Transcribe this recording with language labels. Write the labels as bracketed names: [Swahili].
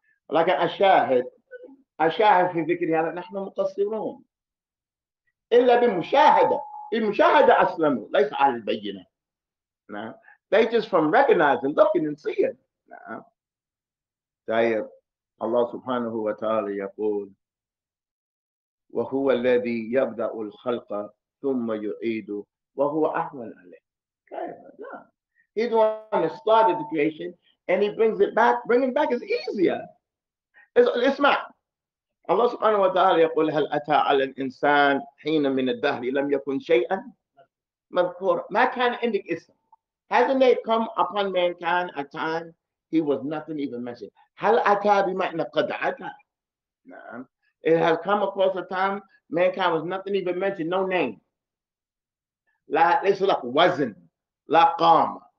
[English] Like I [Arabic] shahid في ذكري هذا نحن مقصرون إلا بمشاهدة. المشاهدة أسلموا ليس على البينة. نعم. [English] They just from recognizing, looking and seeing. [Arabic] نعم. طيب الله سبحانه وتعالى يقول وهو الذي يبدأ الخلق ثم يعيده وهو أحوال عليه. كيف؟ نعم. [English] He's the one that started the creation and he brings it back. Bringing back is easier. [Arabic] اسمع. الله سبحانه وتعالى يقول هل أتى على الإنسان حين من الدهر لم يكن شيئا مذكورا. ما كان عندك اسم. [English] Hasn't it come upon mankind a time he was nothing even mentioned. [Arabic] هل أتى بمعنى قد أتى. نعم. [English] It has come across a time mankind was nothing even mentioned. No name. [Arabic] لا ليس لك وزن. لا قام.